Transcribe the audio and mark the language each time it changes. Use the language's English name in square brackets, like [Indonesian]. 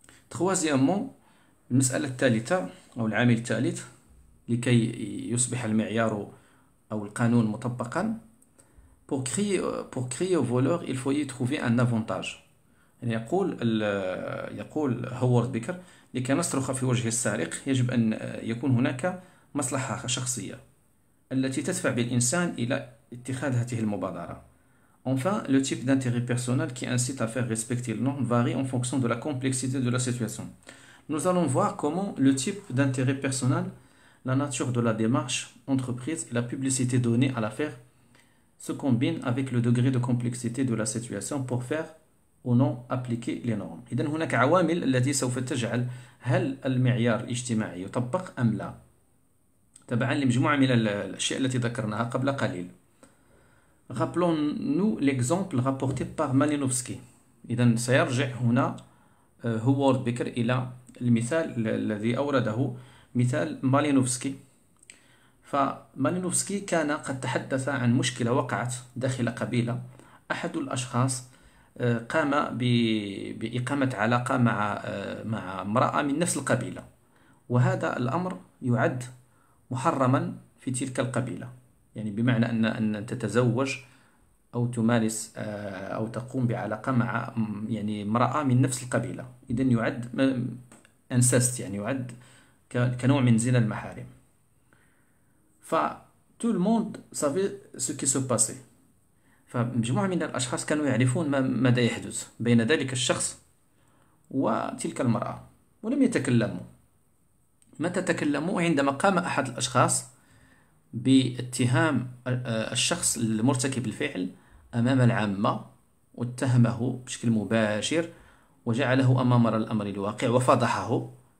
[Arabic] تخوازيامون، المسألة الثالثة أو العامل الثالث لكي يصبح المعيار أو القانون مطبقا، [French] pour crier au voleur il faut y trouver un avantage. [Arabic] يعني يقول هوارد بيكر، لكي نصرخ في وجه السارق يجب أن يكون هناك مصلحة شخصية التي تدفع بالإنسان إلى اتخاذ هذه المبادرة. [French] Enfin, le type d'intérêt personnel qui incite à faire respecter le norme varie en fonction de la complexité de la situation. Nous allons voir comment le type d'intérêt personnel, la nature de la démarche entreprise et la publicité donnée à l'affaire se combinent avec le degré de complexité de la situation pour faire ou non appliquer les normes. [Arabic] إذن هناك عوامل التي سوف تجعل هل المعيار الاجتماعي يطبق أم لا، تبعا لمجموعة من الأشياء التي ذكرناها قبل قليل. [French] Rappelons-nous l'exemple rapporté par Malinowski. [Arabic] إذن سيرجع هنا هوارد بيكر إلى المثال الذي أورده، مثال مالينوفسكي. فمالينوفسكي كان قد تحدث عن مشكلة وقعت داخل قبيلة، أحد الأشخاص قام بإقامة علاقة مع امرأة من نفس القبيلة، وهذا الأمر يعد محرما في تلك القبيلة، يعني بمعنى أن تتزوج أو تمارس أو تقوم بعلاقة مع يعني امرأة من نفس القبيلة، إذن يعد انسست، يعني يعد كنوع من زنا المحارم. [French] ف tout le monde savait ce qui se passait. [Arabic] فمجموعة من الأشخاص كانوا يعرفون ماذا يحدث بين ذلك الشخص وتلك المرأة ولم يتكلموا. متى تكلموا؟ عندما قام أحد الأشخاص باتهام الشخص المرتكب الفعل أمام العامة، واتهمه بشكل مباشر وجعله أمام الأمر الواقع وفضحه.